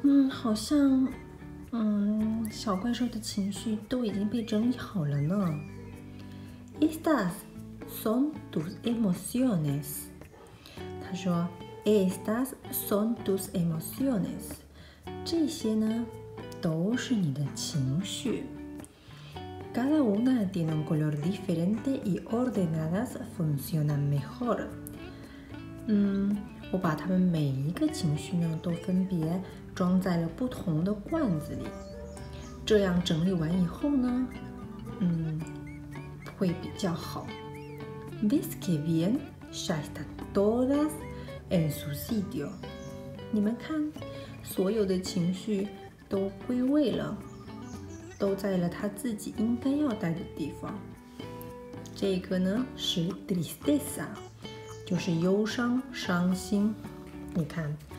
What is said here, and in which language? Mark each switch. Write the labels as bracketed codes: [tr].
[zh] 好像小怪兽的情绪都已经被整理好了呢。 [es] Estas son tus emociones. [zh] 他说 [es] Estas son tus emociones. [zh] 这些呢都是你的情绪。 [es] Cada una tiene un color diferente y ordenadas funcionan mejor. [zh] 我把他们每一个情绪呢都分别装在了不同的罐子里，这样整理完以后呢，会比较好。 [es] Ves que bien, ya están todas en su sitio. [zh] 你们看，所有的情绪都归位了，都在了他自己应该要待的地方。这个呢是 tristeza，就是忧伤、伤心。你看。